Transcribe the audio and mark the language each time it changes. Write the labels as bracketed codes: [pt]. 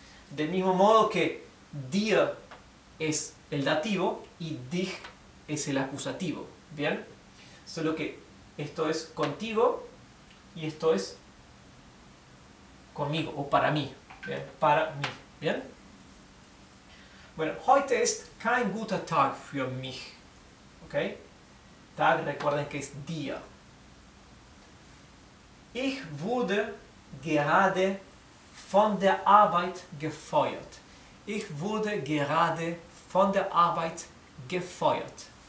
[es] Del mismo modo que dir es el dativo y dich es el acusativo, ¿bien? Solo que esto es contigo y esto es conmigo, o para mí, ¿bien? Para mí, ¿bien? [de] Bueno, heute ist kein guter Tag für mich, ¿ok? [es] Tag, recuerden que es día. [de] Ich wurde gerade von der Arbeit gefeuert. Ich wurde gerade von der Arbeit gefeuert.